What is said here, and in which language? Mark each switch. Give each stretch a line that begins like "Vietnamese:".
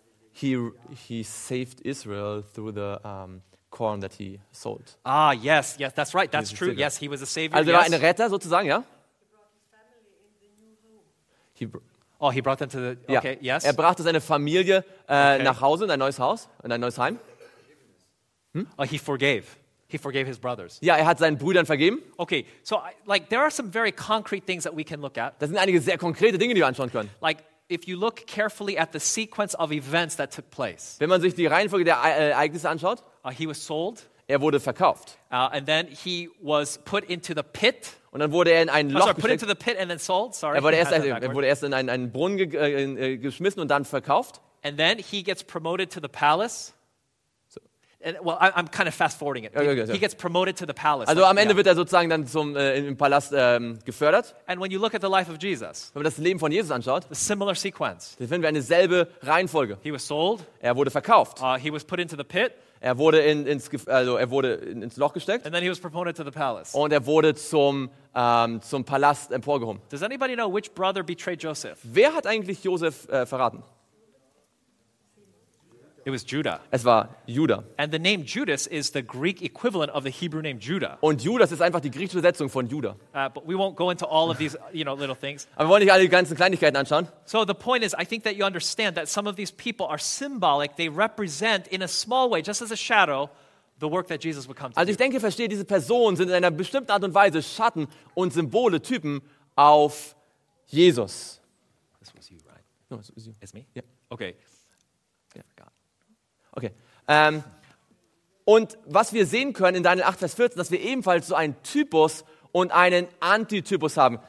English: He saved Israel through the corn that he sold. Ah, yes, yes, that's right, that's true. Savior. Yes, he was a savior. Also yes.
German: War ein Retter sozusagen, ja?
English: He brought them to the. Okay, yes.
German: Er brachte seine Familie nach Hause in ein neues Haus, in ein neues Heim.
English: He forgave. He forgave his brothers.
German: Ja, er hat seinen Brüdern vergeben.
English: Okay, so like there are some very concrete things that we can look at.
German: Das sind einige sehr konkrete Dinge, die wir anschauen können.
English: Like. If you look carefully at the sequence of events that took place.
German: Wenn man sich die Reihenfolge der Ereignisse anschaut,
English: he was sold.
German: Er wurde verkauft.
English: And then he was put into the pit.
German: Und dann wurde er in ein Loch gesteckt.
English: Put into the pit and then sold. Sorry.
German: Er wurde erst in einen Brunnen geschmissen und dann verkauft.
English: And then he gets promoted to the palace. So. And, well, I'm kind of fast forwarding it. Okay, he gets promoted to the palace.
German: Also am Ende wird er sozusagen dann zum im Palast gefördert.
English: And when you look at the life of Jesus,
German: wenn man das Leben von Jesus anschaut,
English: a similar sequence.
German: Dann finden wir eine selbe Reihenfolge.
English: He was sold.
German: Er wurde verkauft.
English: He was put into the pit.
German: Er wurde ins Loch gesteckt.
English: And then he was promoted to the palace.
German: Und er wurde zum Palast emporgehoben.
English: Does anybody know which brother betrayed Joseph?
German: Wer hat eigentlich Joseph verraten?
English: It was Judah.
German: Es war Judah.
English: And the name Judas is the Greek equivalent of the Hebrew name Judah.
German: Und Judas ist einfach die griechische Übersetzung von Judah.
English: But we won't go into all of these, little things.
German: Aber wir wollen nicht alle die ganzen Kleinigkeiten anschauen.
English: So the point is, I think that you understand that some of these people are symbolic. They represent in a small way, just as a shadow, the work that Jesus would come to.
German: Also ich denke, ich verstehe, diese Personen sind in einer bestimmten Art und Weise Schatten und Symbole, Typen auf Jesus.
English: This was you, right? No, it was you. It's me? Yeah. Okay. Okay.
German: Und was wir sehen können in Daniel 8, Vers 14, dass wir ebenfalls so einen Typus und einen Antitypus haben.